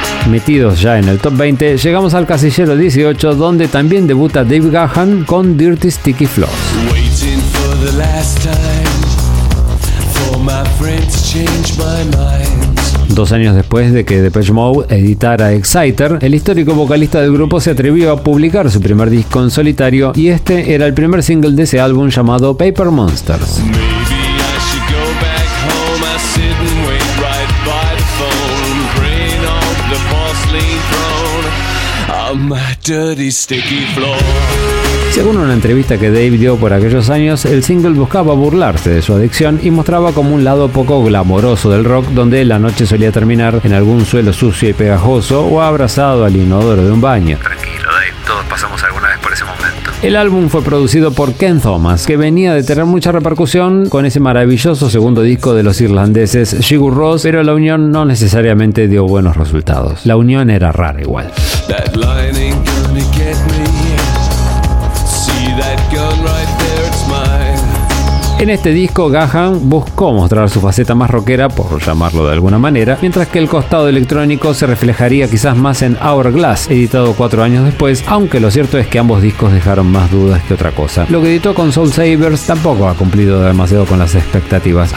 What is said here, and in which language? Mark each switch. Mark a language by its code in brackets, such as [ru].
[es] Metidos ya en el top 20, llegamos al casillero 18, donde también debuta Dave Gahan con Dirty Sticky Floss. [en] Waiting for the last time, for my friend to change my mind. [es] 2 años después de que Depeche Mode editara Exciter, el histórico vocalista del grupo se atrevió a publicar su primer disco en solitario, y este era el primer single de ese álbum llamado Paper Monsters. [en] The my dirty sticky floor. [es] Según una entrevista que Dave dio por aquellos años, el single buscaba burlarse de su adicción y mostraba como un lado poco glamoroso del rock, donde la noche solía terminar en algún suelo sucio y pegajoso o abrazado al inodoro de un baño. Tranquilo, Dave, todos pasamos alguna vez por ese momento. El álbum fue producido por Ken Thomas, que venía de tener mucha repercusión con ese maravilloso segundo disco de los irlandeses Sigur Rós, pero la unión no necesariamente dio buenos resultados. La unión era rara igual. [en] That line ain't gonna get me. [es] En este disco, Gahan buscó mostrar su faceta más rockera, por llamarlo de alguna manera, mientras que el costado electrónico se reflejaría quizás más en Hourglass, editado 4 años después, aunque lo cierto es que ambos discos dejaron más dudas que otra cosa. Lo que editó con Soul Savers tampoco ha cumplido demasiado con las expectativas.